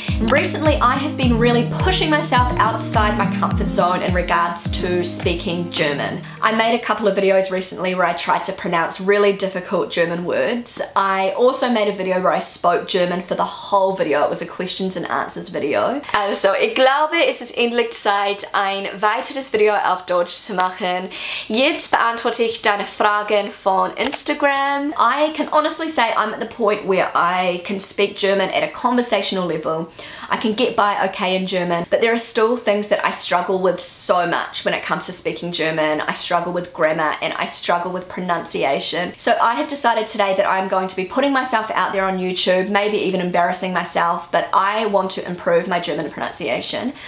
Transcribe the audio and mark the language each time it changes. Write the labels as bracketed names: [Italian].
[English] Recently, I have been really pushing myself outside my comfort zone in regards to speaking German. I made a couple of videos recently where I tried to pronounce really difficult German words. I also made a video where I spoke German for the whole video. It was a questions and answers video. [German] So, ich glaube, es ist endlich Zeit, ein weiteres Video auf Deutsch zu machen. Jetzt beantworte ich deine Fragen von Instagram. [English] I can honestly say I'm at the point where I can speak German at a conversational level. I can get by okay in German, but there are still things that I struggle with so much when it comes to speaking German. I struggle with grammar and I struggle with pronunciation. So I have decided today that I'm going to be putting myself out there on YouTube, maybe even embarrassing myself, but I want to improve my German pronunciation.